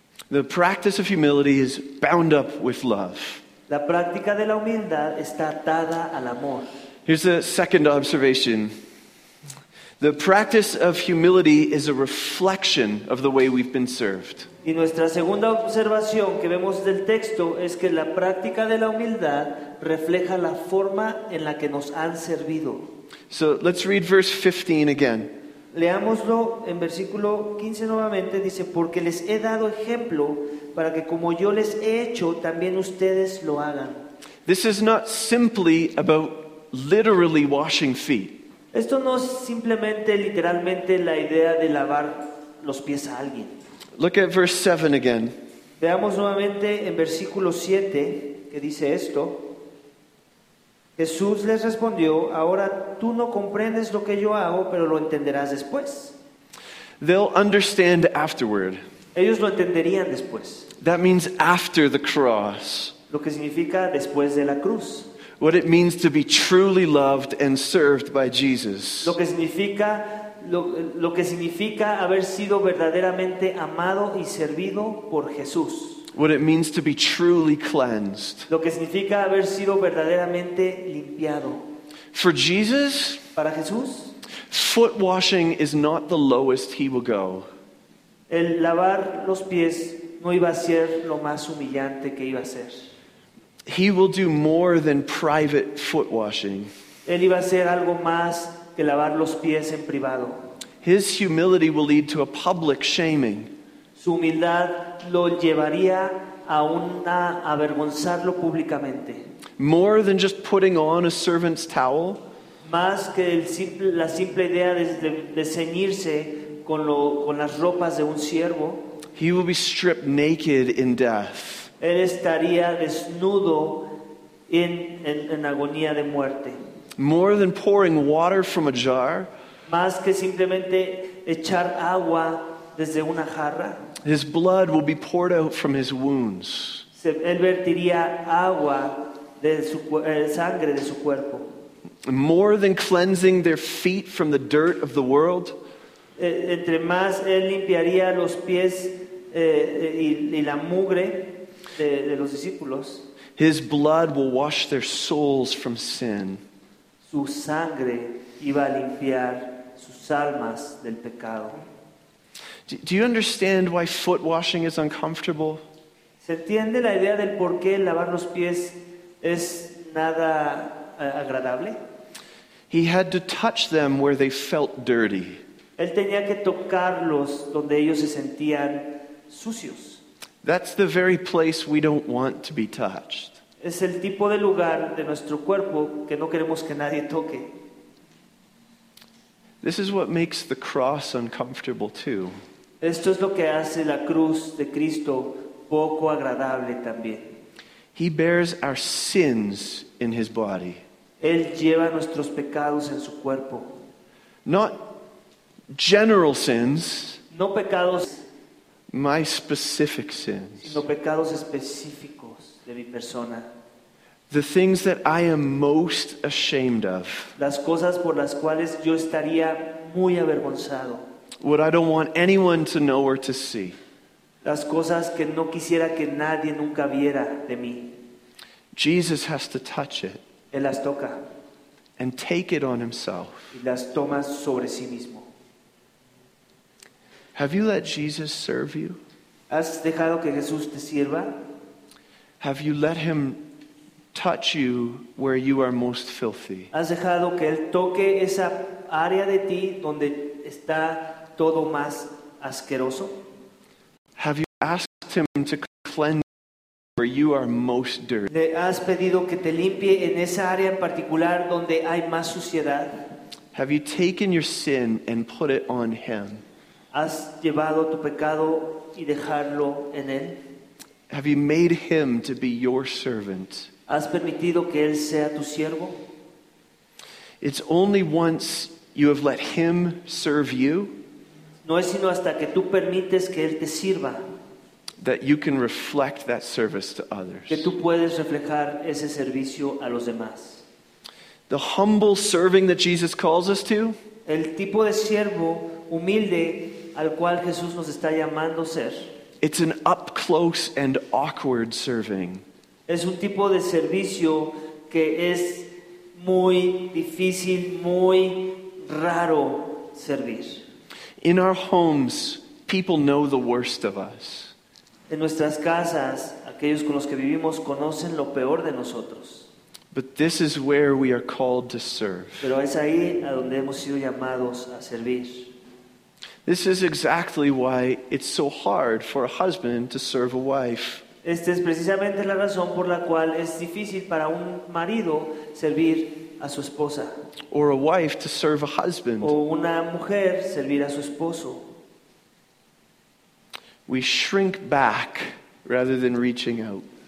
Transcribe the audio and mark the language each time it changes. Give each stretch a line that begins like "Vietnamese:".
English: The practice of humility is bound up with love.
Spanish: La práctica de la humildad está atada al amor.
English: Here's a second observation. The practice of humility is a reflection of the way we've been served.
Spanish: Y nuestra segunda observación que vemos del texto es que la práctica de la humildad refleja la forma en la que nos han servido.
English: So let's read verse 15 again.
Spanish: Leámoslo en versículo 15 nuevamente. Dice, porque les he dado ejemplo para que como yo les he hecho, también ustedes lo hagan.
English: This is not simply about literally washing feet.
Spanish: Esto no es simplemente, literalmente, la idea de lavar los pies a alguien.
English: Look at verse 7 again.
Spanish: Veamos nuevamente en versículo 7 que dice esto. Jesús les respondió, ahora tú no comprendes lo que yo hago, pero lo entenderás después.
English: They'll understand afterward.
Spanish: Ellos lo entenderían después.
English: That means after the cross.
Spanish: Lo que significa después de la cruz.
English: What it means to be truly loved and served by Jesus.
Spanish: Lo que significa haber sido verdaderamente amado y servido por Jesús.
English: What it means to be truly cleansed.
Spanish: Lo que significa haber sido verdaderamente limpiado.
English: For Jesus,
Spanish: para Jesús,
English: foot washing is not the lowest he will go.
Spanish: El lavar los pies no iba a ser lo más humillante que iba a ser.
English: He will do more than private foot washing.
Spanish: Él iba a hacer algo más que lavar los pies en privado.
English: His humility will lead to a public shaming.
Spanish: Su humildad lo llevaría a avergonzarlo públicamente.
English: More than just putting on a servant's towel.
Spanish: Más que la simple idea de ceñirse con las ropas de un siervo.
English: He will be stripped naked in death.
Spanish: Él estaría desnudo en agonía de muerte.
English: More than pouring water from a jar.
Spanish: Más que simplemente echar agua desde una jarra.
English: His blood will be poured out from his wounds.
Spanish: Él vertiría agua de su sangre de su cuerpo.
English: More than cleansing their feet from the dirt of the world.
Spanish: Entre más él limpiaría los pies y la mugre. De los discípulos.
English: His blood will wash their souls from sin.
Spanish: Su sangre iba a limpiar sus almas del pecado.
English: Do you understand why foot washing is uncomfortable?
Spanish: ¿Se entiende la idea del por qué lavar los pies es nada agradable?
English: He had to touch them where they felt dirty.
Spanish: Él tenía que tocarlos donde ellos se sentían sucios.
English: That's the very place we don't want to be touched.
Spanish: Es el tipo de lugar de nuestro cuerpo que no queremos que nadie toque.
English: This is what makes the cross uncomfortable too.
Spanish: Esto es lo que hace la cruz de Cristo poco agradable también.
English: He bears our sins in his body.
Spanish: Él lleva nuestros pecados en su cuerpo.
English: Not general sins.
Spanish: No pecados.
English: My specific sins.
Spanish: Sino pecados específicos. de mi persona.
English: The things that I am most ashamed of.
Spanish: Las cosas por las cuales yo estaría muy avergonzado.
English: What I don't want anyone to know or to see.
Spanish: Las cosas que no quisiera que nadie nunca viera de mí.
English: Jesus has to touch it.
Spanish: Él las toca.
English: And take it on himself.
Spanish: Y las toma sobre sí mismo.
English: Have you let Jesus serve you?
Spanish: ¿Has dejado que Jesús te sirva?
English: Have you let him touch you where you are most filthy?
Spanish: ¿Has dejado que él toque esa área de ti donde está todo más asqueroso?
English: Have you asked him to cleanse you where you are most dirty?
Spanish: ¿Le has pedido que te limpie en esa área en particular donde hay más suciedad?
English: Have you taken your sin and put it on him?
Spanish: ¿Has llevado tu pecado y dejarlo en él?
English: Have you made him to be your servant?
Spanish: ¿Has permitido que él sea tu siervo?
English: It's only once you have let him serve you.
Spanish: No es sino hasta que tú permites que él te sirva.
English: That you can reflect that service to others.
Spanish: Que tú puedes reflejar ese servicio a los demás.
English: The humble serving that Jesus calls us to.
Spanish: El tipo de siervo humilde al cual Jesús nos está llamando ser.
English: It's an up close and awkward serving.
Spanish: Es un tipo de servicio que es muy difícil, muy raro servir.
English: In our homes, people know the worst of us.
Spanish: En nuestras casas, aquellos con los que vivimos conocen lo peor de nosotros.
English: But this is where we are called to serve.
Spanish: Pero es ahí a donde hemos sido llamados a servir.
English: This is exactly why it's so hard for a husband to serve a wife.
Spanish: Esta es precisamente la razón por la cual es difícil para un marido servir a su esposa.
English: Or a wife to serve a husband.
Spanish: O una mujer servir a su esposo.
English: We shrink back rather than reaching out.